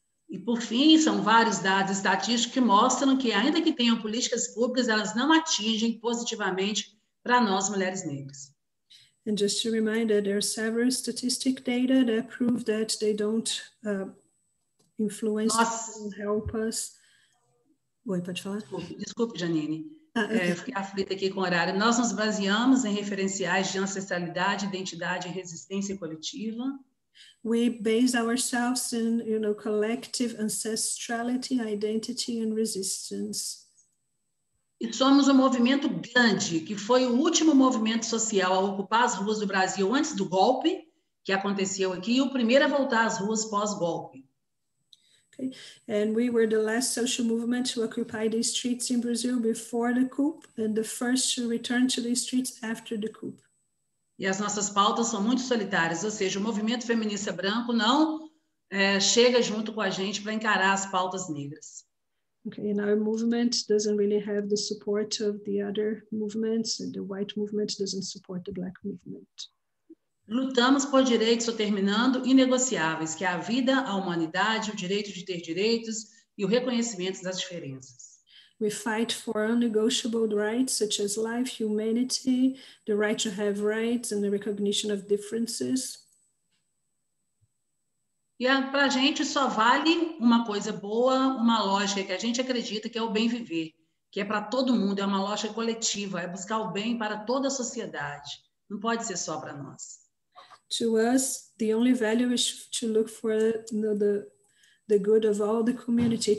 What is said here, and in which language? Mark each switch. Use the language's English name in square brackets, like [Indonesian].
[Portuguese] E por fim, são vários dados estatísticos que mostram que ainda que tenham políticas públicas, elas não atingem positivamente para nós mulheres negras. [English] And just to remind that there are several statistic data that prove that they don't influence us, help us. [Portuguese] Oi, pode falar? Desculpe, Janine. Fiquei aflita aqui com o horário. Nós nos baseamos em referenciais de ancestralidade, identidade e resistência coletiva. [English] We base ourselves in, you know, collective ancestrality, identity and resistance. [Portuguese] E somos um movimento grande, que foi o último movimento social a ocupar as ruas do Brasil antes do golpe que aconteceu aqui e o primeiro a voltar às ruas pós-golpe. Okay. [English] And we were the last social movement to occupy the streets in Brazil before the coup and the first to return to the streets after the coup. [Portuguese] E as nossas pautas são muito solitárias, ou seja, o movimento feminista branco não chega junto com a gente para encarar as pautas negras. [English] Okay, and our movement doesn't really have the support of the other movements, and the white movement doesn't support the black movement. [Portuguese] Lutamos por direitos determinando inegociáveis, que é a vida, a humanidade, o direito de ter direitos e o reconhecimento das diferenças. [English] We fight for unnegotiable rights such as life, humanity, the right to have rights and the recognition of differences. [Portuguese] E para a gente só vale uma coisa boa, uma lógica que a gente acredita que é o bem viver, que é para todo mundo, é uma lógica coletiva, é buscar o bem para toda a sociedade. Não pode ser só para nós. [English] To us, the only value is to look for the good of all the community.